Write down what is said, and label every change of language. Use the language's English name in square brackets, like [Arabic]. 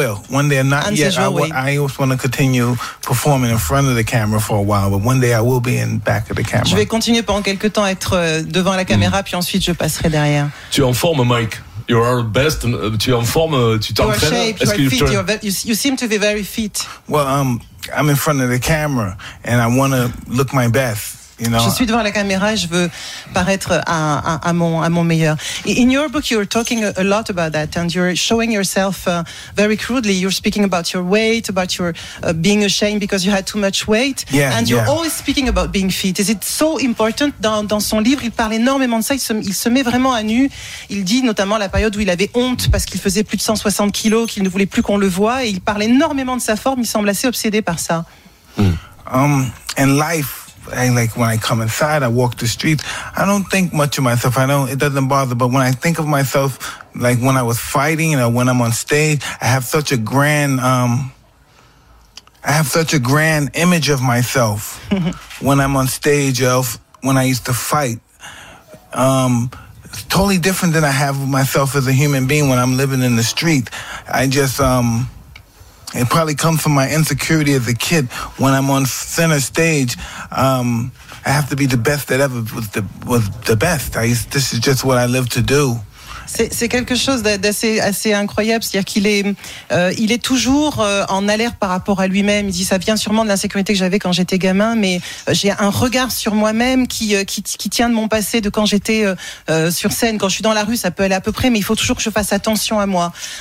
[English] I always want to continue performing in front of the camera for a while, but one day I will be in back of the camera. [French] Je vais continuer pendant quelques temps à être devant la caméra, puis ensuite je passerai derrière. Tu es en forme, Mike. [English] You are the best. [French] Tu es en forme. Tu t'entraînes. [English] You seem to be very fit. Well, I'm in front of the camera and I want to look my best. You know, [French] je suis devant la caméra et je veux paraître à mon meilleur. [English] In your book, you're talking a lot about that and you're showing yourself very crudely. You're speaking about your weight, about your being ashamed because you had too much weight. Yeah, and you're always speaking about being fit. Is it so important? [French] Dans son livre, il parle énormément de ça. Il se met vraiment à nu. Il dit notamment la période où il avait honte parce qu'il faisait plus de 160 kilos, qu'il ne voulait plus qu'on le voie. Et il parle énormément de sa forme. Il semble assez obsédé par ça. [English] And life. And like when I come inside, I walk the streets, I don't think much of myself. It doesn't bother. But when I think of myself, like when I was fighting or when I'm on stage, I have such a grand, image of myself when I'm on stage of when I used to fight. It's totally different than I have myself as a human being when I'm living in the street. I just, it probably comes from my insecurity as a kid. When I'm on center stage, I have to be the best that ever was the best. This is just what I live to do. [French] C'est quelque chose d'assez incroyable, c'est-à-dire qu'il est toujours en alerte par rapport à lui-même. Il dit ça vient sûrement de l'insécurité que j'avais quand j'étais gamin, mais j'ai un regard sur moi-même qui tient de mon passé, de quand j'étais sur scène. Quand je suis dans la rue, ça peut aller à peu près, mais il faut toujours que je fasse attention à moi.